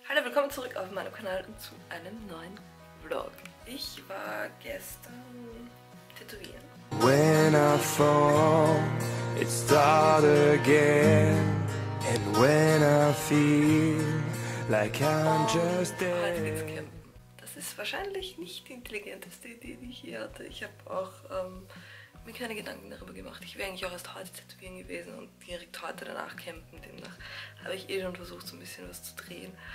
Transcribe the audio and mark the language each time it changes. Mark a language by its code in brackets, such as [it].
[de] willkommen zurück auf meinem Kanal und zu einem neuen Vlog. Ich war gestern tätowieren. [en] When I fall, it start again. And when I feel like I'm just dead. [de] Heute geht's campen. Das ist wahrscheinlich nicht die intelligenteste Idee, die ich hier hatte. Ich habe auch mir keine Gedanken darüber gemacht. Ich wäre eigentlich auch erst heute tätowieren gewesen und direkt heute danach campen. Demnach habe ich eh schon versucht, so ein bisschen was zu drehen.